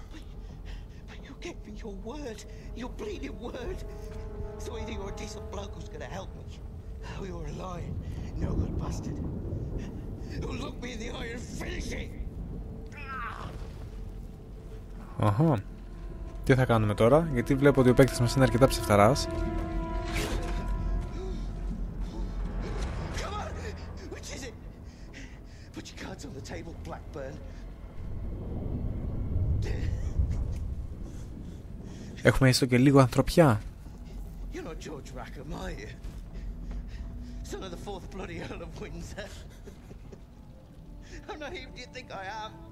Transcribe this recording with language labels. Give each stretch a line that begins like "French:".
English: But you gave me your word. Your bleeding word. So either you're a decent bloke who's gonna help me, or you're a lying, no good bastard. You'll look me in the eye and finish it! Αχα.
Greek: Τι θα κάνουμε τώρα, γιατί βλέπω ότι ο παίκτης μας είναι αρκετά ψευταράς.
English: Come on! Which is it? Put your cards on the table, Blackburn.
Greek: Έχουμε έστω και λίγο ανθρωπιά.
English: You're not George Rackham, are you? Son of the fourth bloody Earl of Windsor. How naive do you think I am?